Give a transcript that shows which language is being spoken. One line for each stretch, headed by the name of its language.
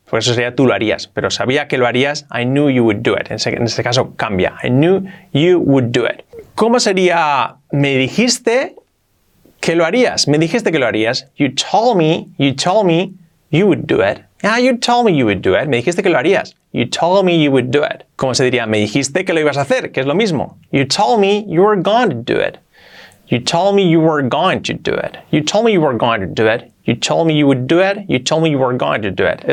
Spanish: Por eso sería tú lo harías, pero sabía que lo harías,
English: I knew you would do it.
Spanish: En este caso cambia,
English: I knew you would do it.
Spanish: ¿Cómo sería me dijiste que lo harías? Me dijiste que lo harías.
English: You told me you would do it. Yeah, you told me you would do it.
Spanish: Me dijiste que lo harías.
English: You told me you would do it.
Spanish: ¿Cómo se diría? Me dijiste que lo ibas a hacer, que es lo mismo.
English: You told me you were going to do it. You told me you were going to do it. You told me you were going to do it. You told me you would do it. You told me you were going to do it.